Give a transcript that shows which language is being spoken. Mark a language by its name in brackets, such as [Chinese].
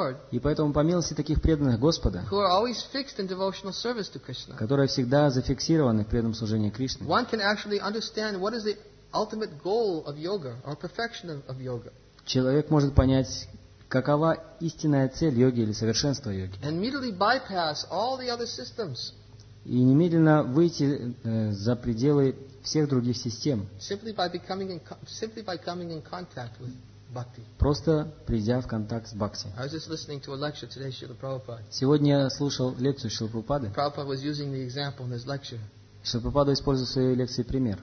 [Russian] И поэтому по милости таких преданных Господа, которые всегда зафиксированы в преданном служении Кришне, [English] one can actually understand what is the ultimate goal of yoga or perfection of yoga. [Russian] Человек может понять, какова истинная цель йоги или совершенство йоги? [English] And immediately bypass all the other systems. [Russian] И немедленно выйти за пределы всех других систем. [English] Simply by becoming in, simply by coming in contact with bhakti. [Russian] Просто придя в контакт с бхакти. [English] I was just listening to a lecture today, Srila Prabhupada. [Russian] Сегодня я слушал лекцию Шрилы Прабхупады. [English] Prabhupada was using the example in his lecture. [Russian] Шрила Прабхупада использовал в своей лекции пример.